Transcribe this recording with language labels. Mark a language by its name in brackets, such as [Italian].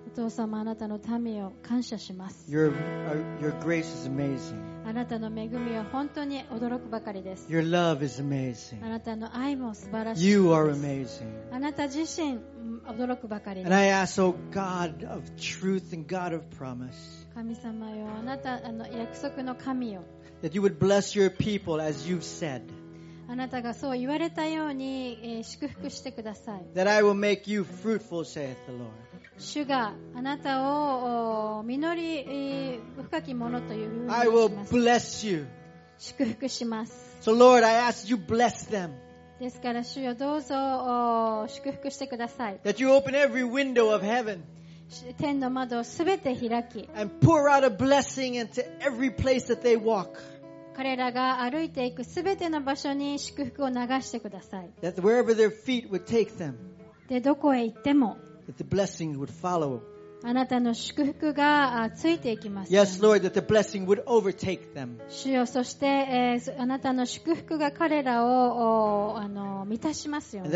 [Japanese] 父様、あなたの民を感謝します。 [English] Your grace is amazing. [Japanese] あなたの恵みは本当に驚くばかりです。 [English] Your love is amazing. [Japanese] あなたの愛も素晴らしい。 [English] You are amazing. [Japanese] あなた自身驚くばかりです。 [English] And I ask, O God of truth and God of promise. [Japanese] 神様よ、あなた、あの約束の神よ。 [English] That you would bless your people as you've said. [Japanese] あなたがそう言われたように、祝福してください。 [English] That I will make you fruitful, saith the Lord. [Japanese] 主があなたを実り深きものというふうにします。 [English] I will bless you. [Japanese] 祝福します。 [English] So Lord, I ask you bless them. [Japanese] ですから主よどうぞ祝福してください。 [English] That you open every window of heaven. [Japanese] 天の窓をすべて開き。 [English] And pour out a blessing into every place that they walk. [Japanese] 彼らが歩いていくすべての場所に祝福を流してください。 [English] That wherever their feet would take them, [Japanese] で、どこへ行っても、 [English] that the blessing would follow. [Japanese] あなたの祝福がついていきます。 [English] Yes, Lord, that the blessing would overtake them. [Japanese] 主よ、そして、あなたの祝福が彼らを満たしますように。